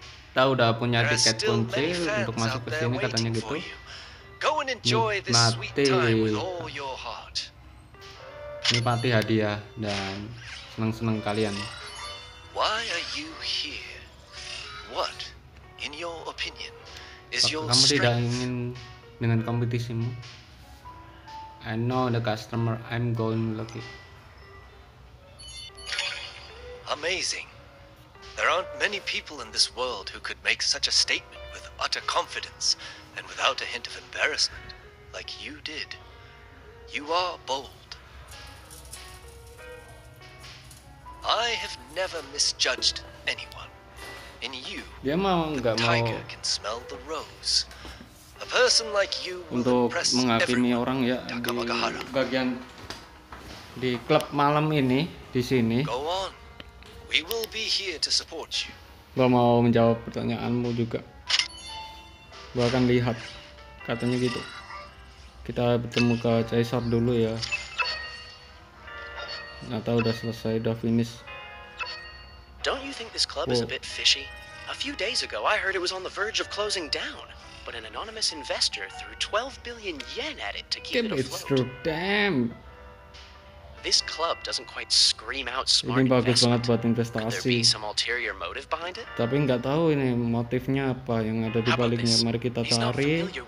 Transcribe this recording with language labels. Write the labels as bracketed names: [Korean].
[Indonesian] Kita udah punya tiket kunci untuk masuk ke sini katanya gitu. [English] Go and enjoy this sweet time with all your heart. [Indonesian] Nikmati hadiah dan senang-senang kalian. [English] Why are you here? What, in your opinion, is your [Indonesian] kamu tidak ingin dengan kompetisimu? [English] I know the customer. I'm going lucky. Amazing. There aren't many people in this world who could make such a statement with utter confidence and without a hint of embarrassment, like you did. You are bold. I have never misjudged anyone. In you, [Indonesian] dia mau nggak mau [English] can smell the rose. A person like you [Indonesian] untuk mengagumi orang ya di bagian di klub malam ini di sini. [English] Go on. We will be here to support you. [Indonesian] Gua mau menjawab pertanyaanmu juga. Gua akan lihat. Katanya gitu. Kita bertemu ke Caesar dulu ya. Nggak tahu udah selesai, udah finish. [English] Don't you think this club is a bit fishy? A few days ago, I heard it was on the verge of closing down, but an anonymous investor threw 12 billion yen at it to keep it afloat. True. Damn. This club doesn't quite scream out smart [Indonesian] investment. Ini bagus banget buat investasi. [English] There be some ulterior motive behind it? [Indonesian] Tapi nggak tahu ini motifnya apa yang ada di baliknya. Mari kita cari.